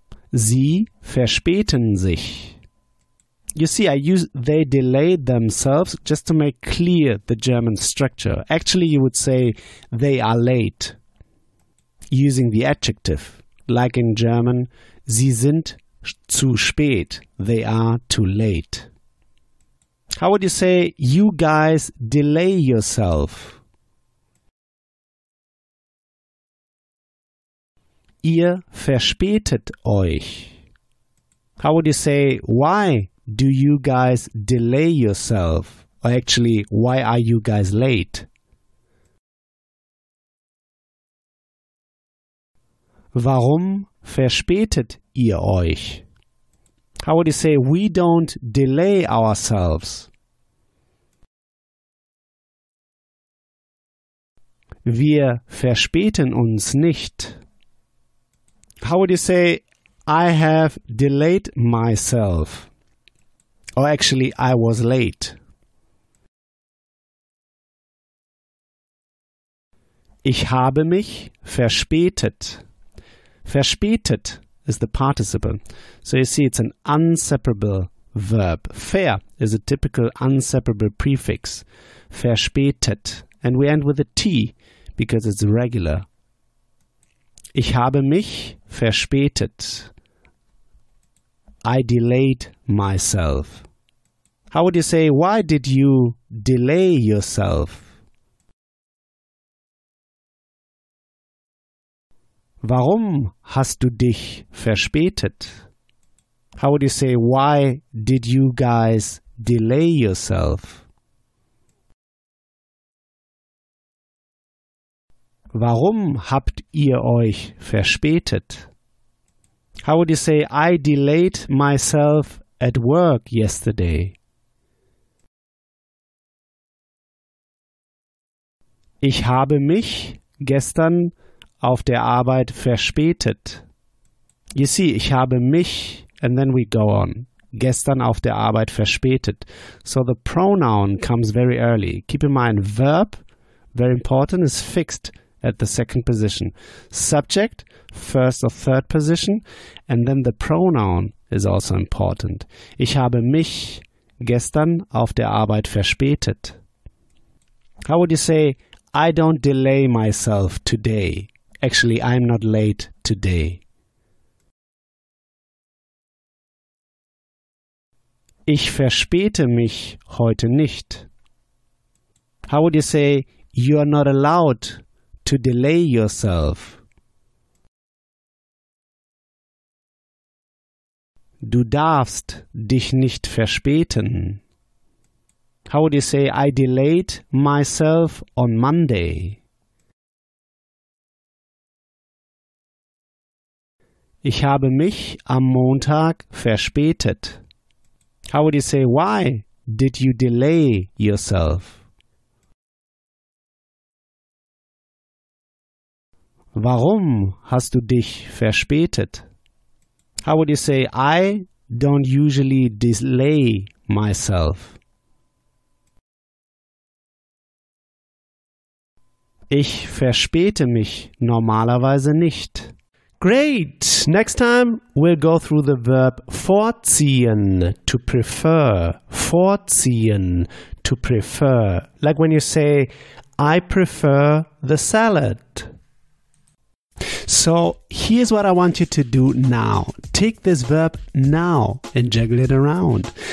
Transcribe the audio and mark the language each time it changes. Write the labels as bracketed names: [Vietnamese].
[German] Sie verspäten sich. [English] You see, I use they delay themselves just to make clear the German structure. Actually, you would say they are late using the adjective. Like in German, [German] sie sind zu spät. [English] They are too late. How would you say you guys delay yourself? [German] Ihr verspätet euch. [English] How would you say why do you guys delay yourself? Or actually, why are you guys late? [German] Warum verspätet ihr euch? [English] How would you say we don't delay ourselves? [German] Wir verspäten uns nicht. [English] How would you say I have delayed myself? Or actually, I was late. [German] Ich habe mich verspätet. [English] Verspätet is the participle. So you see, it's an inseparable verb. Ver is a typical inseparable prefix. Verspätet. And we end with a T because it's regular. [German] Ich habe mich verspätet. [English] I delayed myself. How would you say, why did you delay yourself? [German] Warum hast du dich verspätet? [English] How would you say, why did you guys delay yourself? [German] Warum habt ihr euch verspätet? [English] How would you say, I delayed myself at work yesterday? [German] Ich habe mich gestern auf der Arbeit verspätet. [English] You see, [German] ich habe mich, [English] and then we go on, [German] gestern auf der Arbeit verspätet. [English] So the pronoun comes very early. Keep in mind, verb, very important, is fixed at the second position. Subject, first or third position, and then the pronoun is also important. [German] Ich habe mich gestern auf der Arbeit verspätet. [English] How would you say, I don't delay myself today? Actually, I'm not late today. [German] Ich verspäte mich heute nicht. [English] How would you say, you are not allowed to delay yourself? [German] Du darfst dich nicht verspäten. [English] How would you say, I delayed myself on Monday? [German] Ich habe mich am Montag verspätet. [English] How would you say, why did you delay yourself? [German] Warum hast du dich verspätet? [English] How would you say, I don't usually delay myself? [German] Ich verspäte mich normalerweise nicht. [English] Great! Next time we'll go through the verb vorziehen, to prefer. Vorziehen, to prefer. Like when you say, I prefer the salad. So here's what I want you to do now. Take this verb now and juggle it around.